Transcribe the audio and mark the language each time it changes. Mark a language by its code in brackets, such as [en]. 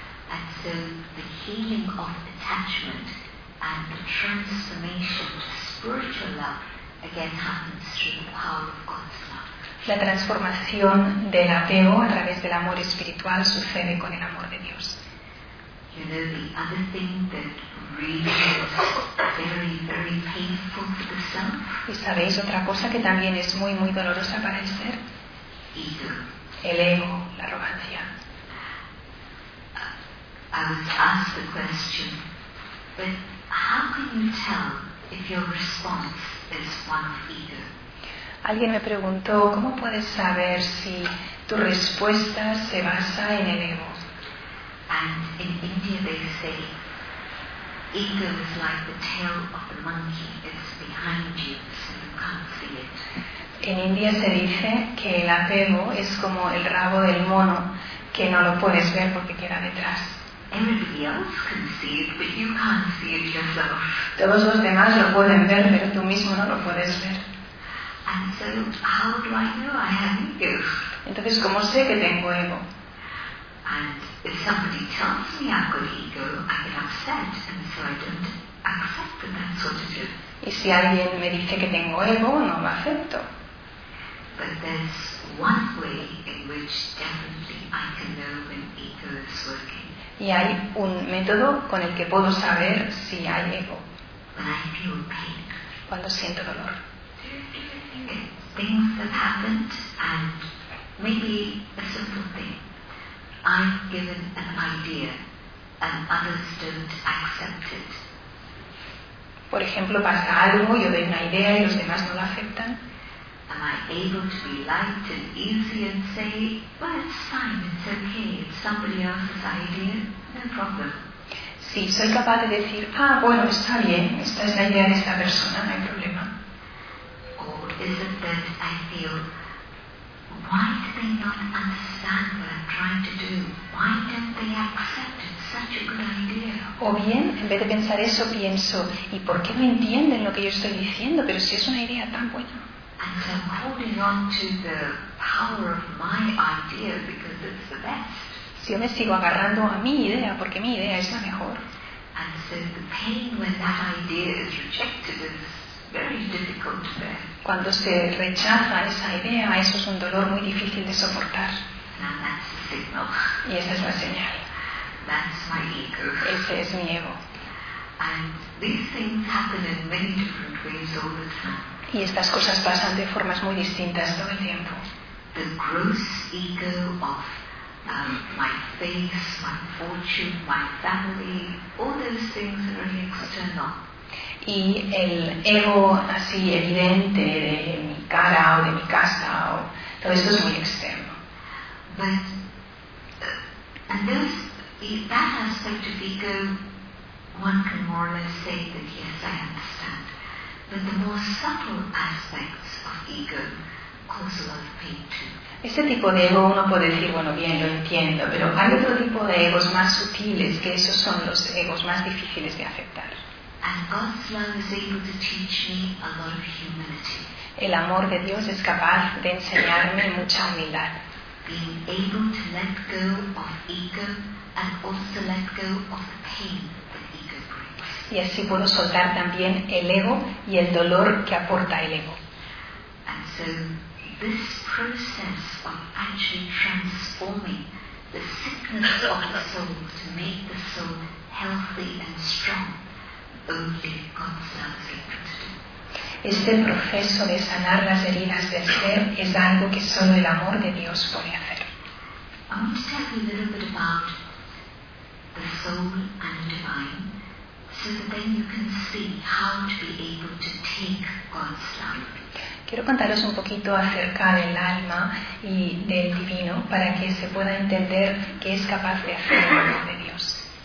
[en] And so the healing of attachment and the transformation of spiritual love again happens through the power of God's love. [es] La transformación del apego a través del amor espiritual sucede con el amor de Dios. [en] You know, the other thing that really is very, very painful for the self. [es] ¿Y sabéis otra cosa que también es muy, muy dolorosa para el ser? [en] Ego. [es] El ego, la arrogancia. [en] I was asked the question, but how can you tell if your response is one of ego? [es] Alguien me preguntó, ¿cómo puedes saber si tu respuesta se basa en el ego? [en] And in India they say, ego is like the tail of the monkey. It's behind you, so you can't see it. [es] En India se dice que el apego es como el rabo del mono, que no lo puedes ver porque queda detrás. [en] Everybody else can see it, but you can't see it yourself. [es] Todos los demás lo pueden ver, pero tú mismo no lo puedes ver. [en] And so, how do I know I have ego? [es] Entonces, ¿cómo sé que tengo ego? [en] And if somebody tells me I've got ego, I get upset, and so I don't accept that that's what it is. [es] Y si alguien me dice que tengo ego, no lo acepto. [en] But there's one way in which definitely I can know when ego is working. [es] Y hay un método con el que puedo saber si hay ego. [en] When I feel pain. [es] Cuando siento dolor. [en] Things that happened, and maybe a simple thing. I've given an idea and others don't accept it. [es] Por ejemplo, pasa algo, yo doy una idea y los demás no la aceptan. [en] Am I able to be light and easy and say, well, it's fine, it's okay, it's somebody else's idea, no problem. [es] Sí, soy capaz de decir, ah, bueno, está bien, esta es la idea de esta persona, no hay problema. [en] Or is it that I feel, why do they not understand what I'm trying to do? Why don't they accept it? Such a good idea. [es] O bien, en vez de pensar eso, pienso, ¿y por qué no entienden lo que yo estoy diciendo? Pero si es una idea tan buena. [en] And so I'm holding on to the power of my idea because it's the best. [es] Si yo me sigo agarrando a mi idea porque mi idea es la mejor. [en] And so the pain when that idea is rejected is very difficult to bear. [es] Cuando se rechaza esa idea, eso es un dolor muy difícil de soportar. [en] And that's the signal. [es] Y esa es la señal. [en] That's my ego. [es] Ese es mi ego. [en] And these things happen in many different ways all the time. [es] Y estas cosas pasan de formas muy distintas todo el tiempo. [en] The gross ego of my face, my fortune, my family, all those things are really external. [es] Y el ego así evidente de mi cara o de mi casa, o todo eso es muy externo. [en] But and those, that aspect of ego, one can more or less say that yes, I understand. But the more subtle aspects of ego cause a lot of pain too. [es] Ese tipo de ego uno puede decir, bueno, bien, lo entiendo, pero hay otro tipo de egos más sutiles, que esos son los egos más difíciles de aceptar. [en] And God's love is able to teach me a lot of humility. [es] El amor de Dios es capaz de enseñarme mucha humildad. [en] Being able to let go of ego and also let go of the pain that ego brings. [es] Y así puedo soltar también el ego y el dolor que aporta el ego. [en] And so this process of actually transforming the sickness of the soul to make the soul healthy and strong, only God's love is able to do. [es] Este proceso de sanar las heridas del ser es algo que solo el amor de Dios puede hacer. [en] I want to tell you a little bit about the soul and the divine, so that then you can see how to be able to take God's love. [es] Quiero contaros un poquito acerca del alma y del divino para que se pueda entender qué es capaz de hacer el amor de Dios.